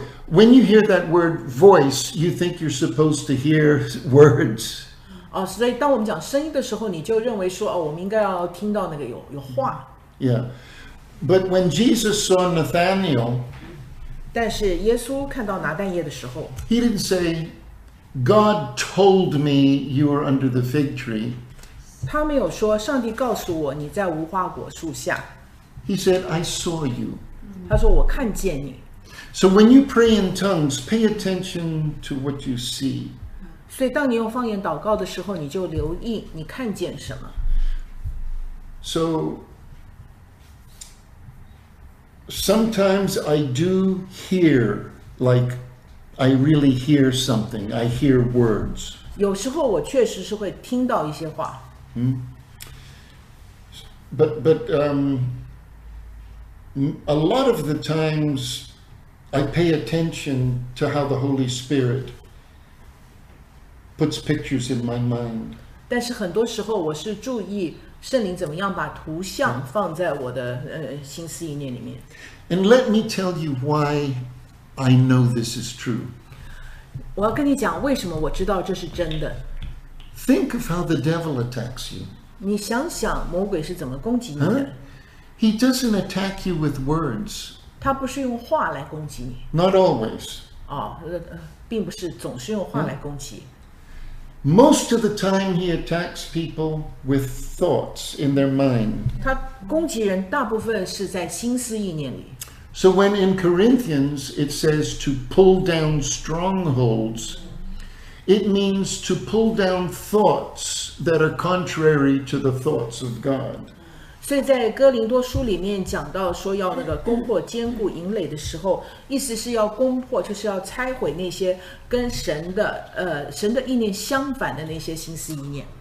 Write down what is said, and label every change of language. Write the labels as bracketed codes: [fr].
[en] When you hear that word voice, you think you're supposed to hear words. [zh] 所以当我们讲声音的时候，你就认为说，我们应该要听到那个有话。 [en] Yeah. But when Jesus saw Nathanael, [zh] 但是耶稣看到拿但业的时候, [en] he didn't say, God told me you were under the fig tree. [zh] 他没有说上帝告诉我你在无花果树下。 [en] He said, I saw you. [zh] 他说我看见你。 [en] So when you pray in tongues, pay attention to what you see. [zh] 所以当你用方言祷告的时候，你就留意你看见什么。 [en] So sometimes I do hear, like I really hear something. I hear words. [zh] 有时候我确实是会听到一些话。 [en] But a lot of the times. I pay attention to how the Holy Spirit puts pictures in my mind. [zh] 但是很多时候我是注意圣灵怎么样把图像放在我的心思意念里面。 [en] And let me tell you why I know this is true. [zh] 我要跟你讲为什么我知道这是真的。 [en] Think of how the devil attacks you. [zh] 你想想魔鬼是怎么攻击你的。 [en] He doesn't attack you with words. [zh] 他不是用话来攻击你。 [en] Not always. [zh] 并不是总是用话来攻击。 [en] Most of the time he attacks people with thoughts in their mind. [zh] 他攻击人大部分是在心思意念里。 [en] So when in Corinthians it says to pull down strongholds, it means to pull down thoughts that are contrary to the thoughts of God. [zh] 所以在哥林多书里面讲到说要那个攻破坚固营垒的时候，意思是要攻破，就是要拆毁那些跟神的神的意念相反的那些心思意念。